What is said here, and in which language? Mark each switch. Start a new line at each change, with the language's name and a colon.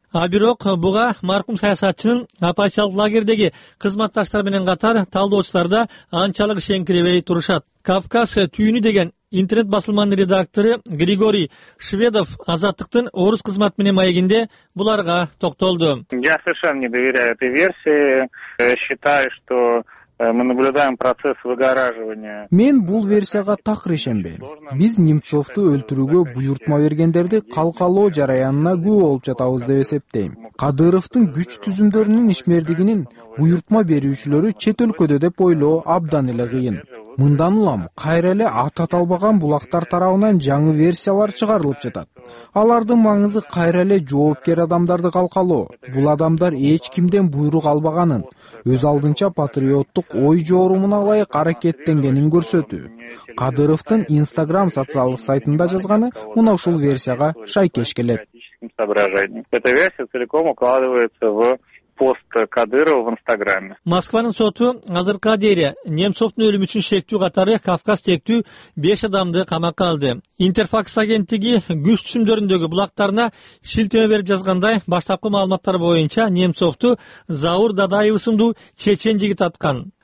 Kyrgyz: А бирок буга маркум саясатчынын оппозициялык лагердеги кызматташтары менен катар талдоочулар да анчалык ишенкирбей турушат. Кавказ түйүнү деген интернет басылманын редактору Григорий Шведов Азаттыктын орус кызмат менен маегинде буларга токтолду.
Russian: Я совершенно не доверяю этой версии. Считаю, что мы наблюдаем процесс выгораживания.
Kyrgyz: Мен бул версияга такыр ишенбейм. Биз Немцовду өлтүрүүгө буйрутма бергендерди калкалоо жараянына күбө болуп жатабыз деп эсептейм. Кадыровдун күч түзүмдөрүнүн ишмердигинин буйрутма берүүчүлөрү чет өлкөдө деп ойлоо абдан эле кыйын. Мындан улам кайра эле аты аталбаган булактар тарабынан жаңы версиялар чыгарылып жатат. Алардын маңызы кайра эле жоопкер адамдарды калкалоо. Бул адамдар эч кимден буйрук албаганын, өз алдынча патриоттук ой жоорумуна ылайык аракеттенгенин көрсөтүү. Кадыровдун Instagram социалдык сайтында жазганы мына ушул версияга шайкеш келет.
Russian: Эта версия целиком укладывается в пост Кадырова в Инстаграме.
Kyrgyz: Москванын соту азыркы дейли Немцовдун өлүмү үчүн шектүү катары Кавказ тектүү 5 адамды камакка алды. Интерфакс агенттиги күч түзүмдөрүндөгү булактарына шилтеме берип жазгандай, баштапкы маалыматтар боюнча Немцовду Заур Дадаев ысымдуу чечен жигит аткан.